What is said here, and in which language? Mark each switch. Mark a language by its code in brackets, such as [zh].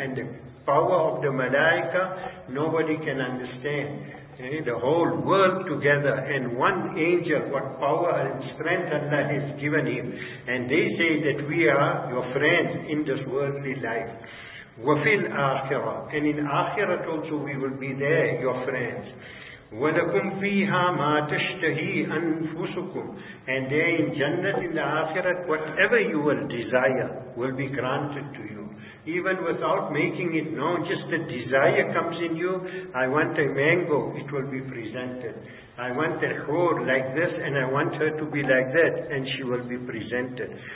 [en] And the power of the malaika, nobody can understand. The whole world together and one angel, what power and strength Allah has given him. And they say that we are your friends in this worldly life. [ar] وَفِي الْآخِرَةِ. [en] And in Akhirat also we will be there, your friends. [ar] ولكم فيها ما تشتهي أنفسكم. [en] And there in Jannah in the Akhirat, whatever you will desire will be granted to you. Even without making it known, just the desire comes in you. I want a mango, it will be presented. I want a whore like this, and I want her to be like that, and she will be presented.